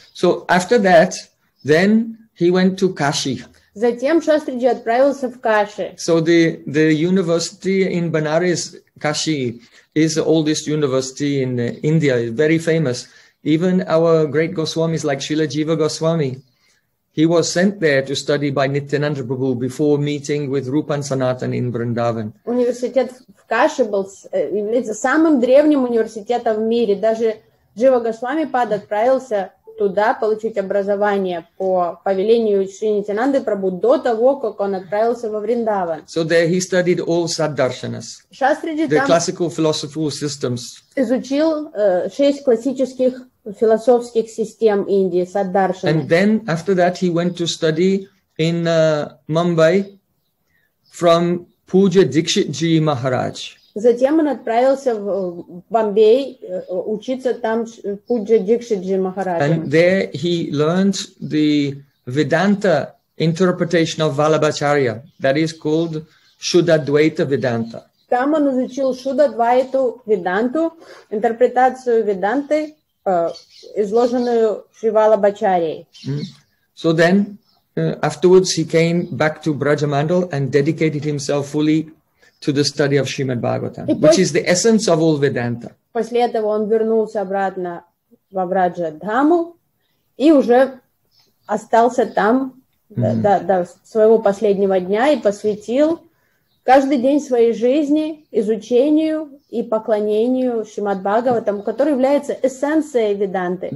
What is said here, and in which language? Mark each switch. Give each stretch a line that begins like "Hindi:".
English: So after that, then he went to Kashi.
Russian: Затем Шастриджи отправился в Каши.
English: So the university in Banaras, Kashi, is the oldest university in India, very famous. Even our great Goswamis like Srila Jiva Goswami, he was sent there to study by Nityananda Prabhu before meeting with Rupan Sanatan in Vrindavan.
Russian: Университет в Каши был является самым древним университетом в мире. Даже Джива Госвами Пад отправился туда получить образование по повелению Шри Нитянанды Прабху до того, как он отправился во Вриндаван.
English: So there he studied all Саддаршанас.
Russian: Шастриджи
English: the classical philosophical systems.
Russian: Изучил шесть классических философских систем Индии, саддаршаны.
English: And then after that he went to study in Mumbai from Pooja Dikshit Ji Maharaj.
Russian: Затем он отправился в Бомбей учиться там Пуджа Дикшит Джи Махараджа.
English: And there he learned the Vedanta interpretation of Vallabhacharya, that is called Shuddhadvaita Vedanta.
Russian: Там он изучил Шуддхадвайту Веданту, интерпретацию Веданты, изложенную Шри Валлабхачарьей.
English: So then Afterwards, he came back to Brajamandal and dedicated himself fully to the study of Srimad Bhagavatam, which is the essence of all Vedanta.
Russian: После этого он вернулся обратно во Браджа-дхаму и уже остался там до своего последнего дня и посвятил каждый день своей жизни изучению и поклонению Шримад Бхагаватам, который является эссенцией Веданты.